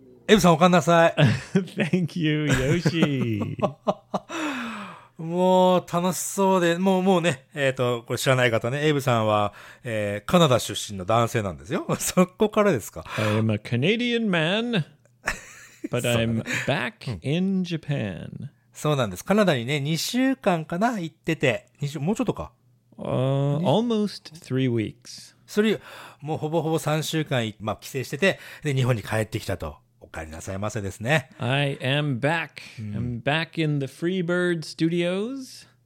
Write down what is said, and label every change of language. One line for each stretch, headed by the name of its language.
Japanese: エブさん、おかんなさい。
English: Thank you, Yoshi.
Japanese: もう楽しそうで、もうね、これ知らない方ね、エブさんは、カナダ出身の男性なんですよ。そこからですか。
English: I am a Canadian man, but I'm back in Japan.
Japanese: そうなんです。カナダにね、2週間かな、行ってて、もうちょっとか。
English: Almost 3 weeks.
Japanese: それ、もうほぼほぼ3週間、まあ、帰省してて、で、日本に帰ってきたと。お帰りなさいませですね。
English: I am back. I'm back in the Freebird Studios.